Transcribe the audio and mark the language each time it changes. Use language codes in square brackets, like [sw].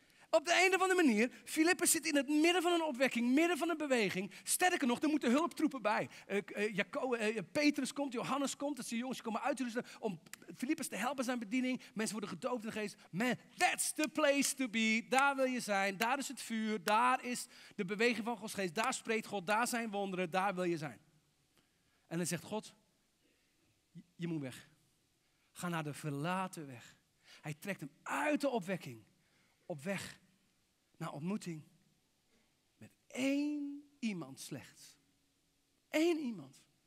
[nl] Op de een of andere manier, Filippus zit in het midden van een opwekking, midden van een beweging. Sterker nog, er moeten hulptroepen bij. Petrus komt, Johannes komt, dat zijn jongens komen uitrusten om Filippus te helpen zijn bediening. Mensen worden gedoopt in de geest. [en] Man, that's the place to be. [nl] Daar wil je zijn, daar is het vuur, daar is de beweging van Gods geest. Daar spreekt God, daar zijn wonderen, daar wil je zijn. En dan zegt God, je moet weg. Ga naar de verlaten weg. Hij trekt hem uit de opwekking. Op weg naar ontmoeting met één iemand slechts. Eén iemand.